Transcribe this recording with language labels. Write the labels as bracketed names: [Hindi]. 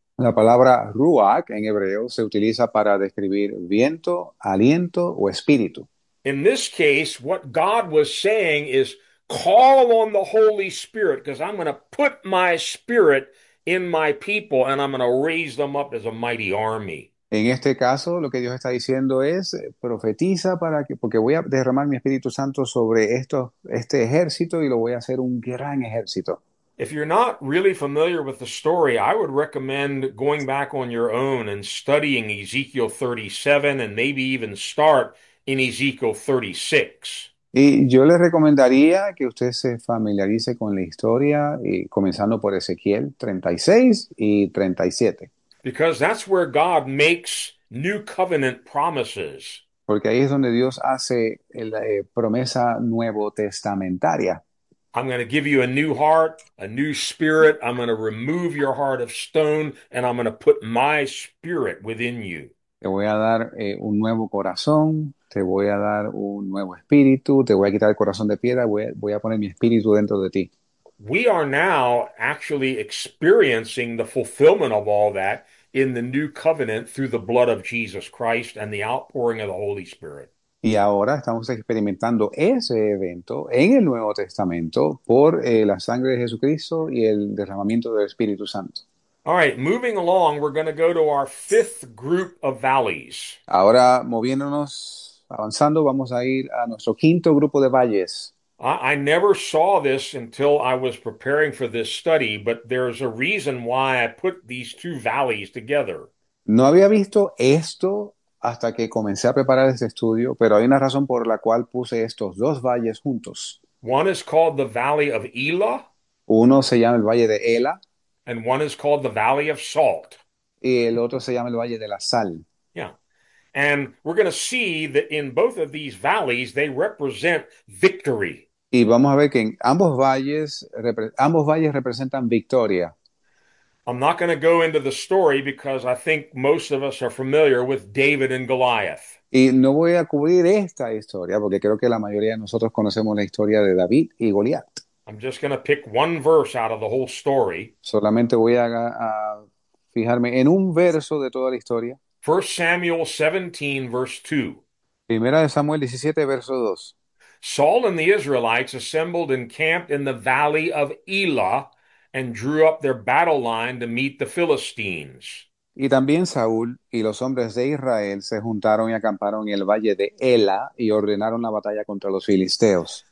[Spanish] La palabra ruach en hebreo se utiliza para describir viento, aliento o espíritu. [English] In this case, what God was saying is, call on the Holy Spirit, because I'm going to put my spirit in my people and I'm going to raise them up as a mighty army. [Spanish] En este caso, lo que Dios está diciendo es, profetiza porque voy a derramar mi Espíritu Santo sobre este ejército y lo voy a hacer un gran ejército. [English] If you're not really familiar with the story, I would recommend going back on your own and studying Ezekiel 37 and maybe even start in Ezekiel 36. [Spanish] Y yo le recomendaría que usted se familiarice con la historia, comenzando por Ezequiel 36 y 37. [English] Because that's where God makes new covenant promises. [Spanish] Porque ahí es donde Dios hace la promesa nuevo testamentaria. [English] I'm going to give you a new heart, a new spirit. I'm going to remove your heart of stone, and I'm going to put my spirit within you. [Spanish] Te voy a dar un nuevo corazón, te voy a dar un nuevo espíritu, te voy a quitar el corazón de piedra, voy a poner mi espíritu dentro de ti. [English] We are now actually experiencing the fulfillment of all that in the new covenant through the blood of Jesus Christ and the outpouring of the Holy Spirit. [Spanish] Y ahora estamos experimentando ese evento en el Nuevo Testamento por la sangre de Jesucristo y el derramamiento del Espíritu Santo. [English] All right, moving along, we're going to go to our fifth group of valleys. [Spanish] Ahora, moviéndonos, avanzando, vamos a ir a nuestro quinto grupo de valles. [English] I never saw this until I was preparing for this study, but there's a reason why I put these two valleys together. [Spanish] No había visto esto hasta que comencé a preparar este estudio, pero hay una razón por la cual puse estos dos valles juntos. [English] One is called the Valley of Elah, [Spanish] Uno se llama el Valle de Ela [English] and one is called the Valley of Salt. [Spanish] y el otro se llama el Valle de la Sal. [English] And we're going to see that in both of these valleys, they represent victory. [Spanish] Y vamos a ver que en ambos valles representan victoria. [English] I'm not going to go into the story because I think most of us are familiar with David and Goliath. [Spanish] Y no voy a cubrir esta historia porque creo que la mayoría de nosotros conocemos la historia de David y Goliat. [English] I'm just going to pick one verse out of the whole story. [Spanish] Solamente voy a fijarme en un verso de toda la historia. [English] 1 Samuel 17, verse 2. [Spanish] Primera de Samuel 17, verso 2. [English] Saul and the Israelites assembled and camped in the valley of Elah and drew up their battle line to meet the Philistines. [Spanish] Y también Saúl y los hombres de Israel se juntaron y acamparon en el valle de Ela y ordenaron la batalla contra los filisteos.